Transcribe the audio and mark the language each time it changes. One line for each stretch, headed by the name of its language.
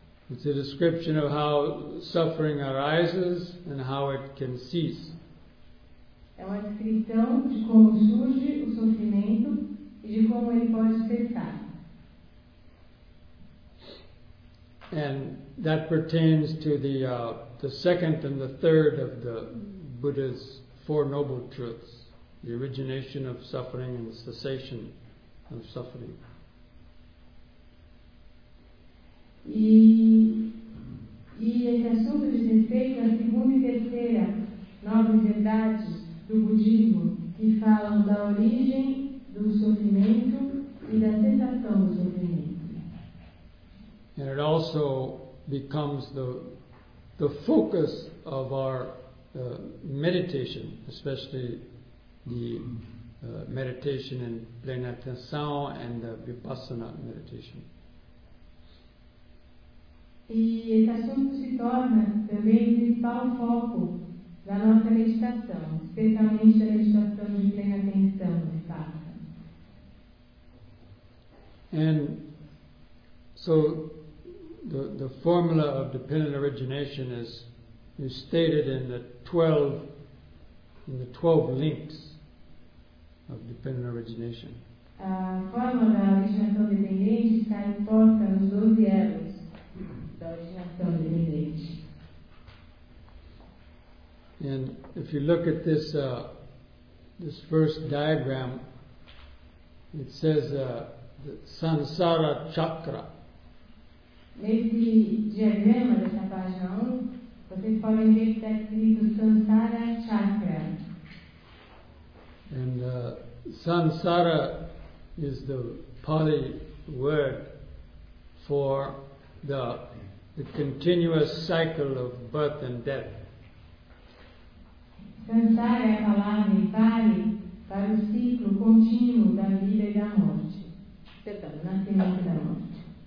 English: It's a description of how suffering arises and how it can cease.
Portuguese: É uma descrição de como surge o sofrimento e de como ele pode cessar.
English: And that pertains to the second and the third of the Buddha's Four Noble Truths, the origination of suffering and the cessation of suffering.
Portuguese: E esse assunto diz respeito à segunda e terceira nove verdades do budismo que falam da origem do sofrimento e da cessação do sofrimento.
English: And it also becomes the focus of our meditation, especially the meditation in
Portuguese: plena atenção
English: and the vipassana meditation.
Portuguese: E esse assunto se torna também o principal foco da nossa meditação, especialmente a meditação de plena atenção, de fato.
English: And so the formula of dependent origination is stated in the 12 links of dependent origination.
Portuguese: A fórmula da originação dependente está imposta nos 12 elos da originação dependente.
English: And if you look at this this first diagram, it says the samsara chakra.
Portuguese: Nesse diagrama dessa página 1, vocês podem ver que está escrito Samsara Chakra.
English: And Samsara is the Pali word for the continuous cycle of birth and death.
Portuguese: Samsara é a palavra em Pali para o ciclo contínuo da vida e da morte. Perdão, nascimento da morte.